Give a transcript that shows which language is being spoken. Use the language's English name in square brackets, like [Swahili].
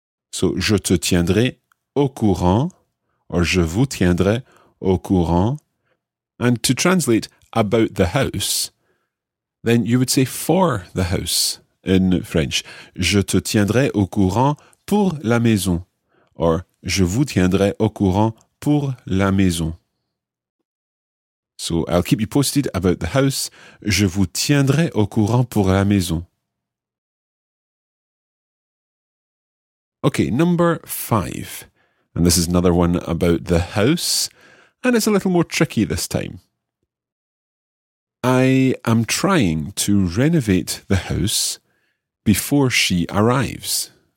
[French] So, je te tiendrai au courant, or je vous tiendrai au courant. [English] And to translate about the house, then you would say for the house in French. [French] Je te tiendrai au courant pour la maison, or je vous tiendrai au courant pour la maison. [English] So, I'll keep you posted about the house. [French] Je vous tiendrai au courant pour la maison. [English] Okay, number 5. And this is another one about the house. And it's a little more tricky this time. I am trying to renovate the house before she arrives.